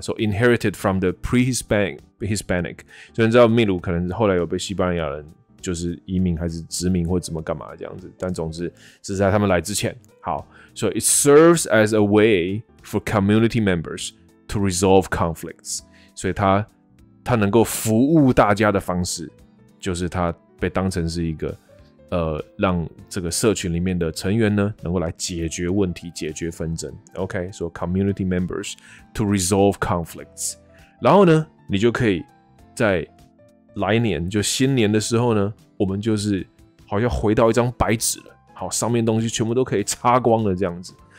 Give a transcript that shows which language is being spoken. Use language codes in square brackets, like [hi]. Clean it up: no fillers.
[en] So inherited from the pre-Hispanic， [zh] 所以你知道秘鲁可能后来有被西班牙人就是移民还是殖民或怎么干嘛这样子，但总之是在他们来之前。好 ， [en] So it serves as a way for community members to resolve conflicts， [zh] 所以它能够服务大家的方式，就是它被当成是一个。让这个社群里面的成员呢，能够来解决问题、解决纷争。 OK， 所以 [en] community members to resolve conflicts。 [zh] 然后呢，你就可以在来年就新年的时候呢，我们就是好像回到一张白纸了，好，上面东西全部都可以擦光了这样子。